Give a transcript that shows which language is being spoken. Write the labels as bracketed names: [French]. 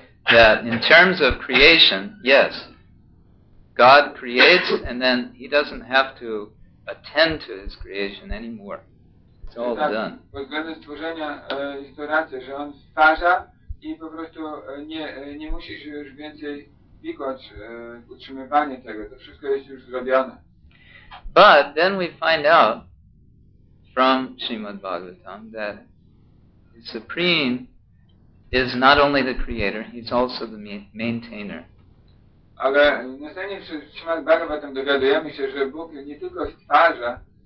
[English] That in terms of creation, yes, God creates and then he doesn't have to attend to his creation anymore. It's all done. [Polish] Pod względem stworzenia jest to racja, że on stwarza i po prostu nie musisz już więcej pikać utrzymywanie tego. To wszystko jest już zrobione. [English] But then we find out from Srimad Bhagavatam that the Supreme is not only the creator, he's also the maintainer. [Polish] Ale następnie w Srimad Bhagavatam dowiadujemy się, że Bóg nie tylko stwarza,